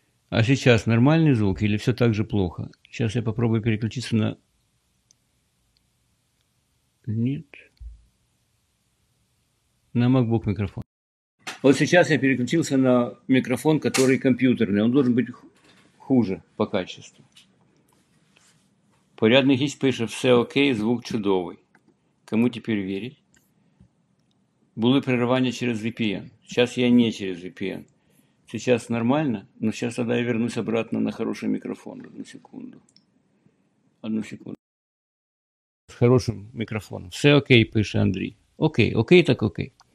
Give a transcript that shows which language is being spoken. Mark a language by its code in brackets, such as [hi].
[ru] А сейчас нормальный звук или все так же плохо? Сейчас я попробую переключиться на... Нет. На MacBook микрофон. Вот сейчас я переключился на микрофон, который компьютерный. Он должен быть хуже по качеству. [uk] Порядный гість пише: «Все окей, звук чудовий». [ru] Кому теперь верить? Было прерывание через VPN. Сейчас я не через VPN. Сейчас нормально, но сейчас тогда я вернусь обратно на хороший микрофон. Одну секунду. Одну секунду. С хорошим микрофоном. «Все окей», пише Андрей. Окей, окей так окей.